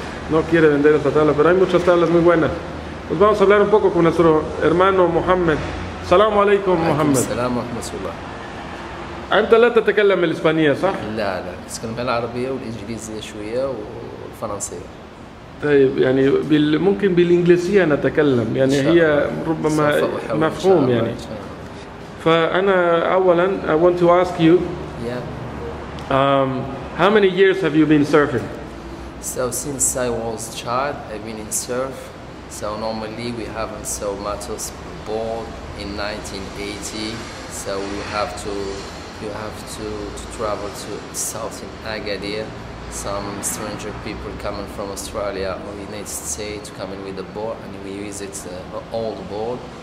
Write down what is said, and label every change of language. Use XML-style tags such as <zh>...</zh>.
<es>No quiere vender esta tabla, pero hay muchas tablas muy buenas. Pues vamos a hablar un poco con nuestro hermano Mohammed.</es> <ar>Salamu alaikum, Mohammed. Salamu alaikum, Rasulullah. ¿Anta la tatakallam el español, صح? La, la. Tatakallam el arabia, el inglesia, shuya, el francia. طيب يعني بال ممكن بالإنجليزية نتكلم يعني هي ربما مفهوم يعني فأنا أولاً</ar> <en>I want to ask you how many years have you been surfing? So since I was child I've been in surf. So normally we haven't so much as board in 1980. So we have to you have to travel to south in Agadir. Some stranger people coming from Australia or the United States coming with a board, and we use it old board.</en>